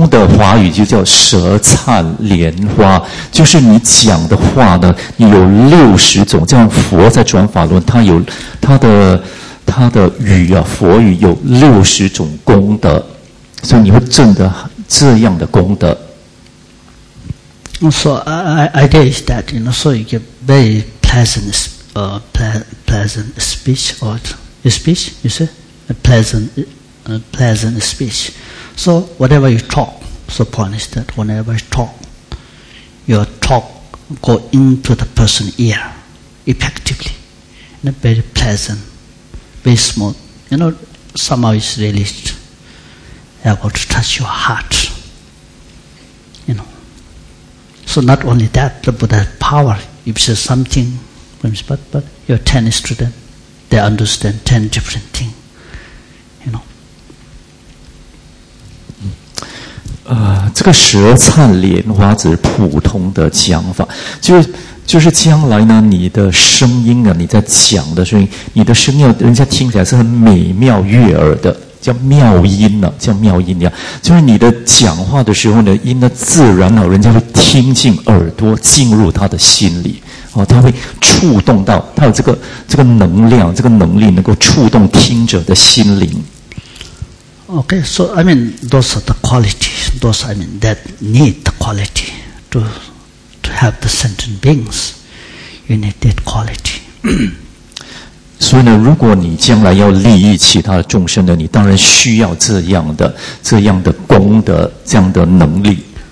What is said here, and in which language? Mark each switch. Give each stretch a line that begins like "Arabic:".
Chinese: 通的华语就叫舌灿莲花，就是你讲的话呢，你有六十种，像佛在转法轮，他有他的语啊，佛语有六十种功德，所以你会证得这样的功德。
English: So idea is that you know, so you get very pleasant, pleasant speech or speech. You see, pleasant speech. So whatever you talk, so point is that whenever you talk, your talk go into the person's ear effectively, you know, very pleasant, very smooth. You know, somehow it's really able to touch your heart. You know. So not only that, the Buddha's power, if says something, but your 10 students, they understand 10 different things, you know.
Chinese: 这个舌灿莲花只是普通的讲法，就是将来呢，你的声音啊，你在讲的声音，你的声音人家听起来是很美妙悦耳的。叫妙音呢、啊，叫妙音呀、啊，就是你的讲话的时候呢，音呢自然呢、啊，人家会听进耳朵，进入他的心里，哦，他会触动到，他有这个能量，这个能力能够触动听者的心灵。
English: Okay, so I mean those are the qualities, those I mean that need the quality to have the sentient beings, you need that quality.
Chinese: 所以呢，如果你将来要利益其他的众生呢，你当然需要这样的功德，这样的能力。